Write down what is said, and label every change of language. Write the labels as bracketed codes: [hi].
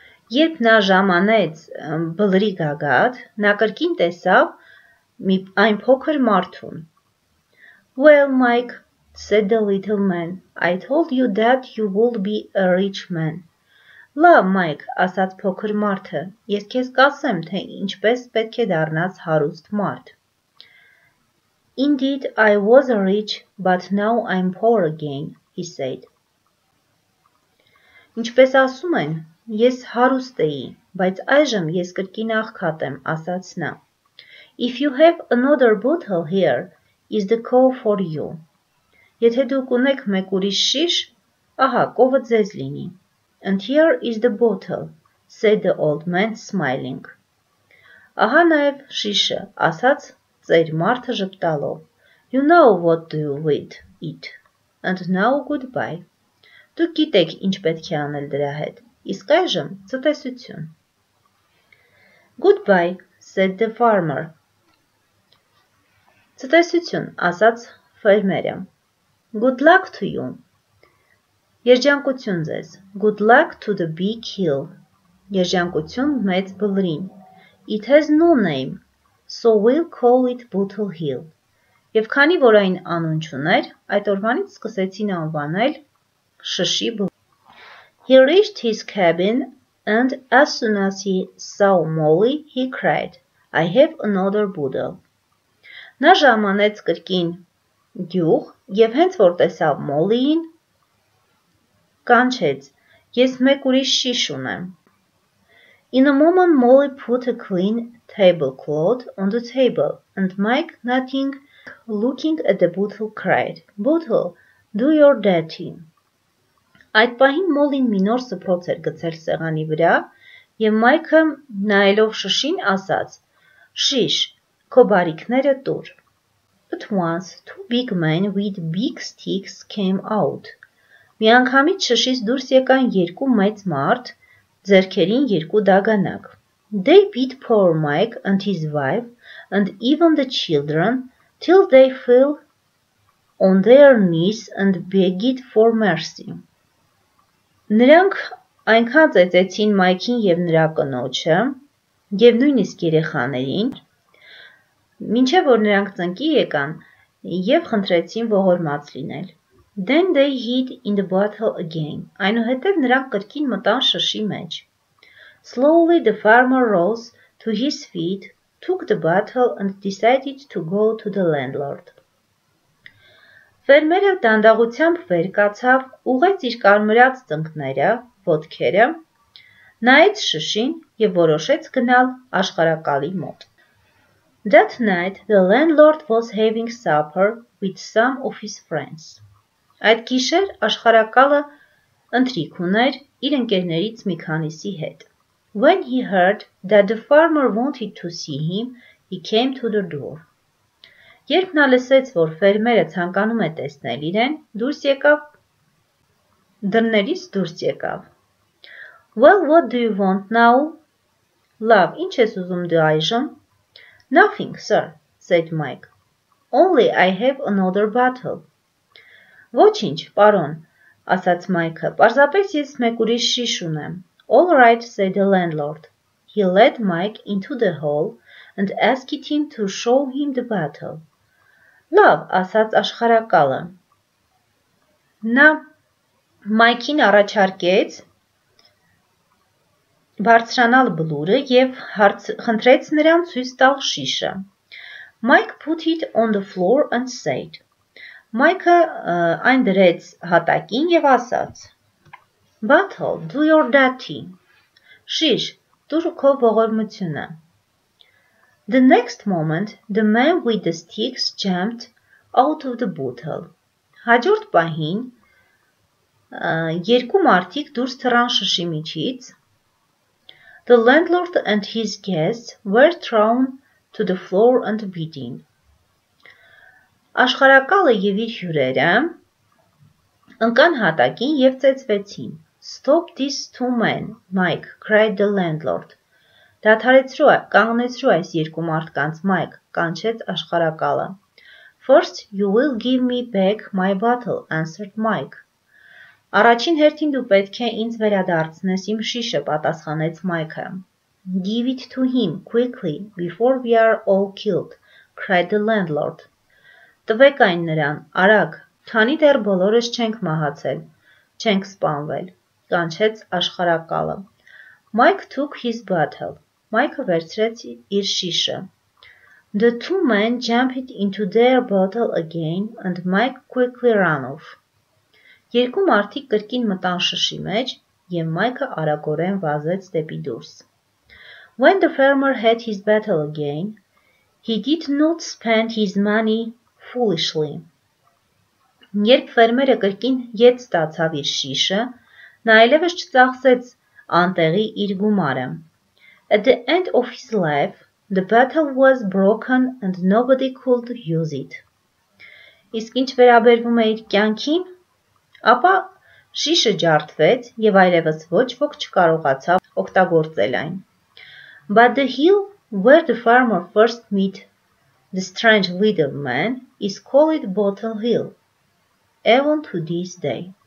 [hy] Երբ նա ժամանեց բլրի գագաթ, նա կրկին տեսավ մի այն փոքր մարդուն. [en] Well, Mike, said the little man, I told you that you would be a rich man. [hy] Լավ, Mike, ասաց փոքր մարդը, ես քեզ կասեմ, թե ինչպես պետք է դառնաս հարուստ մարդ. [en] Indeed, I was rich, but now I'm poor again, he said. [hy] Ինչպես ասում են, ես հարուստ էի, բայց այժմ ես կրկին աղքատ եմ, ասաց նա. [en] If you have another bottle here, is the cow for you. [hy] Եթե դուք ունեք մեկ ուրիշ շիշ, ահա, կովը ձեզ լինի. [en] And here is the bottle, said the old man, smiling. [hy] Ահա նաև շիշը, ասաց ծեր մարդը ժպտալով. [en] You know what to do with it. And now goodbye. [hy] Դուք գիտեք ինչ պետք է անել դրա հետ. Իսկ այժմ ցտեսություն. [en] Goodbye, said the farmer. [hy] Ցտեսություն, ասաց ֆերմերը. [en] Good luck to you. [hy] Երջանկություն ձեզ. [en] Good luck to the big hill. [hy] Երջանկություն մեծ բլրին. [en] It has no name, so we'll call it Bottle Hill. [hy] Եվ քանի որ այն անուն չուներ, այդ օրվանից սկսեցին անվանել շշի բլրին. [en] He reached his cabin and as soon as he saw Molly, he cried, I have another bottle. [hy] Նա ժամանեց կրկին գյուղ և հենց որ տեսավ Մոլիին, կանչեց, ես մեկ ուրիշ շիշ ունեմ. [en] In a moment Molly put a clean tablecloth on the table and Mike, nothing, looking at the bottle, cried, Bottle, do your dirty. [hy] Այդ պահին Մոլին մի նոր սփռոց էր գցել սեղանի վրա և Մայքը նայելով շշին ասաց, շիշ, քո բարիքները տուր. [en] At once, two big men with big sticks came out. [hy] Մի անգամից շշից դուրս եկան երկու մեծ մարդ, ձերքերին երկու դագանակ. [en] They beat poor Mike and his wife and even the children till they fell on their knees and begged for mercy. [hy] Նրանք այնքան ծեծեցին Մայքին և նրա կնոջը, և նույնիսկ երեխաներին, մինչև որ նրանք ծնկի եկան և խնդրեցին ողորմած լինել. [en] Then they hid in the bottle again, [hy] այնուհետև նրանք կրկին մտան շշի մեջ. [en] Slowly the farmer rose to his feet, took the bottle and decided to go to the landlord. [hy] Ֆերմերը դանդաղությամբ վեր կացավ, ուղեց իր կարմրած ծնկները, ոտքերը, նայեց շշին և որոշեց գնալ աշխարակալի մոտ. [en] That night the landlord was having supper with some of his friends. [hy] Այդ գիշեր աշխարակալը ընթրիք ուներ իր ընկերներից մի քանիսի հետ. [en] When he heard that the farmer wanted to see him, he came to the door. [hy] Երբ նա լսեց, որ ֆերմերը ցանկանում է տեսնել իրեն, դուրս եկավ դռներից դուրս եկավ. [en] Well, what do you want now? [hy] Լավ, ինչ ես ուզում դու այժմ? [en] Nothing, sir, said Mike. Only I have another bottle. [hy] Ոչինչ, պարոն, ասաց Mike-ը, պարզապես ես մեկ ուրիշ շիշ ունեմ. [en] All right, said the landlord. He led Mike into the hall and asked him to show him the bottle. [hy] Լավ, ասաց աշխարակալը, նա Մայքին առաջարկեց բարձրանալ բլուրը և խնդրեց նրան ցույց տալ շիշը. [en] Mike put it on the floor and said. [hy] Մայքը այն դրեց հատակին և ասաց. [en] Bottle, do your dirty. [hy] Շիշ, դու քո ողորմությունը. [en] The next moment, the man with the sticks jumped out of the bottle. [hy] Հաջորդ պահին երկու մարդիկ դուրս թռան շշի միջից. [en] The landlord and his guests were thrown to the floor and beaten. [hy] Աշխարակալը եւ իր հյուրերը ընկան հատակին եւ ծեծվեցին. [en] Stop this to men, Mike, cried the landlord. [hy] Դադարեցրու, կանգնեցրու այս երկու մարդկանց, Mike, կանչեց աշխարակալը. [en] First you will give me back my bottle, answered Mike. [hy] Առաջին հերթին դու պետք է ինձ վերադարձնես իմ շիշը, պատասխանեց Mike-ը. [en] Give it to him quickly before we are all killed, cried the landlord. [hy] Տվեք այն նրան, արագ, քանի դեռ բոլորս չենք մահացել, չենք սպանվել, կանչեց աշխարակալը. [en] Mike took his bottle. [hy] Mike-ը վերցրեց իր շիշը. [en] The two men jumped into their bottle again and Mike quickly ran off. [hy] Երկու մարդիկ կրկին մտան շշի մեջ եւ Mike-ը արագորեն վազեց դեպի դուրս. [en] When the farmer had his bottle again, he did not spend his money foolishly. [hy] Երբ ֆերմերը կրկին ետ ստացավ իր շիշը, նա այլևս չծախսեց անտեղի իր գումարը. [en] At the end of his life, the bottle was broken and nobody could use it. [hy] Իսկ ինչ վերաբերվում է իր կյանքին, ապա շիշը ջարդվեց եւ այլևս ոչ ոք չկարողացավ օգտագործել այն. [en] But the hill where the farmer first met the strange widow man is called Bottle Hill, even to this day.